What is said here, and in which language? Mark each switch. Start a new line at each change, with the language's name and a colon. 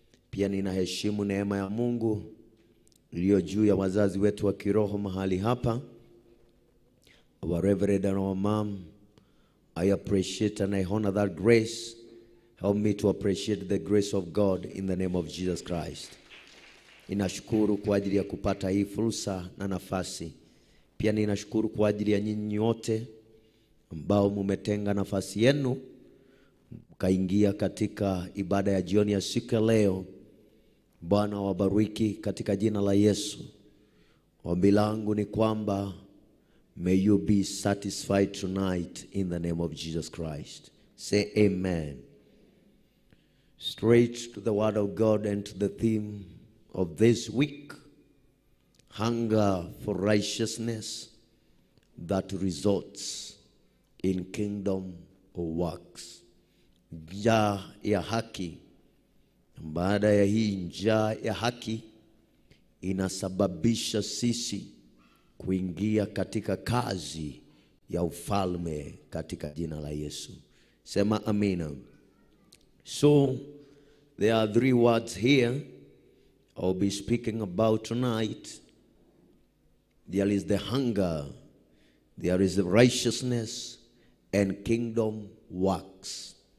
Swahili: Pia ninaheshimu neema ya Mungu iliyo juu ya wazazi wetu wa kiroho mahali hapa.
English: Our Reverend and our Mom, I appreciate and I honor that grace. Help me to appreciate the grace of God in the name of Jesus Christ.
Swahili: Ninashukuru kwa ajili ya kupata hii fursa na nafasi. Pia ninashukuru kwa ajili ya nyinyi wote ambao mumetenga nafasi yenu mkaingia katika ibada ya jioni ya siku ya leo. Bwana wabariki katika jina la Yesu. Ombi langu ni kwamba
English: may you be satisfied tonight in the name of Jesus Christ. Say amen. Straight to the word of God and to the theme of this week: hunger for righteousness that results in kingdom works.
Swahili: Njaa ya haki. Baada ya hii njaa ya haki inasababisha sisi kuingia katika kazi ya ufalme katika jina la Yesu. Sema amina.
English: So there are three words here I'll be speaking about tonight. There is the hunger, there is the righteousness, and kingdom works.